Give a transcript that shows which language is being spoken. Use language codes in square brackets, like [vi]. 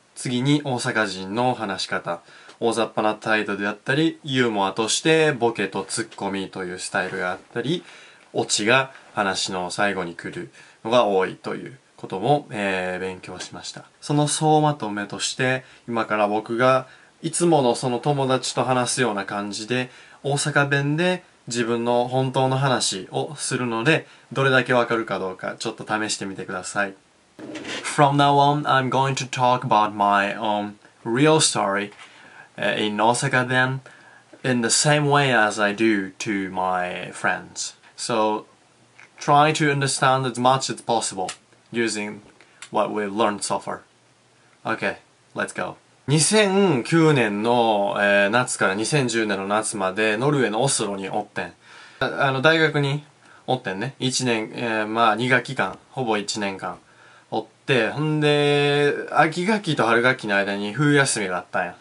[ja] 次に大阪人の話し方、大雑把な態度であったり、ユーモアとしてボケとツッコミというスタイルがあったり、オチが話の最後に来るのが多いということも、勉強しました。その総まとめとして、今から僕がいつものその友達と話すような感じで大阪弁で自分の本当の話をするので、どれだけわかるかどうかちょっと試してみてください。 [en] From now on, I'm going to talk about my own real story in Osaka then in the same way as I do to my friends. So try to understand as much as possibleusing what we've learned so far. Okay, let's go. [ja] 2009年の、夏から2010年の夏までノルウェーのオスロにおってん。あの大学におってんね。1年、2学期間、ほぼ1年間おって、ほんで、秋学期と春学期の間に冬休みがあったんや。